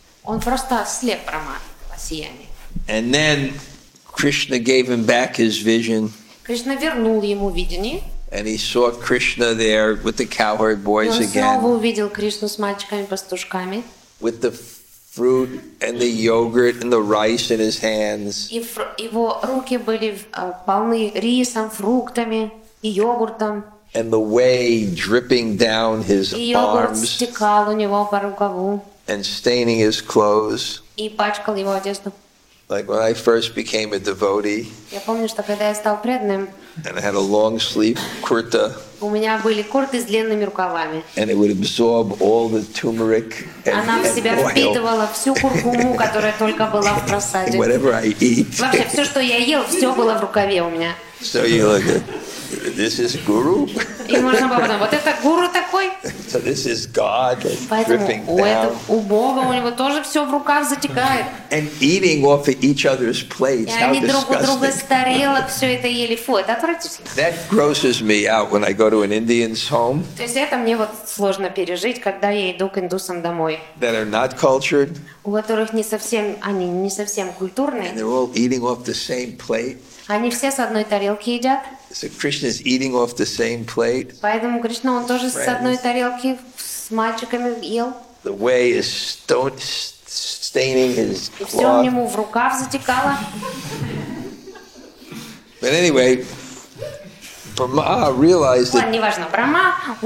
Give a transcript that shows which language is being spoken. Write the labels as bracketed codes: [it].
[ru] Он просто ослеп, Брахма, по сиянию. [en] And then Krishna gave him back his vision. [ru] Кришна вернул ему видение. [en] And he saw Krishna there with the cowherd boys again. [ru] И он снова увидел Кришну с мальчиками-пастушками. [en] With the fruit and the yogurt and the rice in his hands. [ru] И его руки были полны рисом, фруктами и йогуртом. [en] And the whey dripping down his arms. [ru] И йогурт стекал у него по рукаву. [en] And staining his clothes. [ru] И пачкал его одежду. [en] Like when I first became a devotee. [ru] Я помню, что когда я стал преданным. [en] And I had a long sleeve kurta. [ru] У меня были курты с длинными рукавами. [en] And it would absorb all the turmeric and [ru] Она в себя [en] oil. [ru] Впитывала всю куркуму, которая только была в просаде. [en] Whatever I eat. [ru] Вообще все, что я ел, все было в рукаве у меня. [en] So you look at this is guru. [ru] И можно было подумать, вот это гуру такой. [en] So this is God [ru] Поэтому [en] dripping [ru] у [en] down. [ru] Этого, у Бога у него тоже все в руках затекает. [en] And eating off of each other's plates. [ru] И они друг у друга тарелок все это ели. Фу, это отвратительно. [en] That grosses me out when I go to an Indian's home. [ru] То есть это мне вот сложно пережить, когда я иду к индусам домой. [en] That are not cultured. [ru] У которых не совсем, они не совсем культурные. [en] And they're all eating off the same plate. [ru] Они все с одной тарелки едят. [en] So Krishna is eating off the same plate. [ru] Поэтому Кришна, он тоже с одной тарелки с мальчиками ел. [en] The whey is staining his cloth. [ru] И все у него в рукав затекало. [en] But anyway, Brahma realized that. [ru] Ладно, неважно, Брахма.